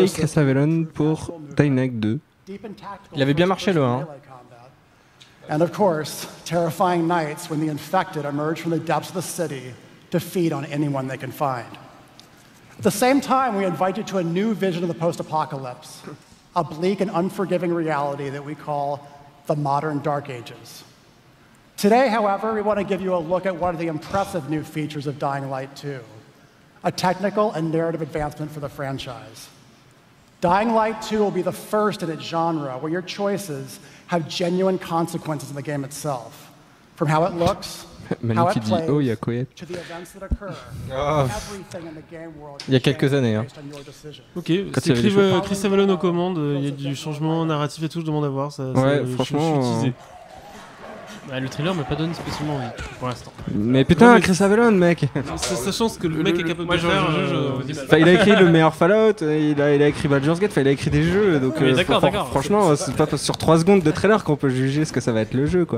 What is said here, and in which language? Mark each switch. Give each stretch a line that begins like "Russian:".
French: Il se paye Chris Avellon pour Dying Light 2. Il avait bien marché le 1.
English: And of course, terrifying nights when the infected emerge from the depths of the city to feed on anyone they can find. At the same time, we invite you to a new vision of the post-apocalypse, a bleak and unforgiving reality that we call the modern Dark Ages. Today, however, we want to give you a look at one of the impressive new features of Dying Light 2, a technical and narrative advancement for the franchise. Dying Light 2 will be the first in its genre where your choices have genuine consequences in the game itself. From how it looks, how it plays, to the events that occur, everything in the game world is changed based on your decisions.
French: Ok, c'est Chris Avellon aux commandes, il y a du changement narratif et tout, je demande à voir. Ça, ouais, ça, franchement... Le trailer me pas donné spécialement envie, pour l'instant. Mais putain, ouais, mais... Chris Avellone, mec. Sachant ce que le mec est capable de faire, il a écrit le meilleur Fallout, il a écrit Baldur's Gate, il a écrit des jeux, donc franchement, c'est pas sur 3 secondes de trailer qu'on peut juger ce que ça va être le jeu, quoi.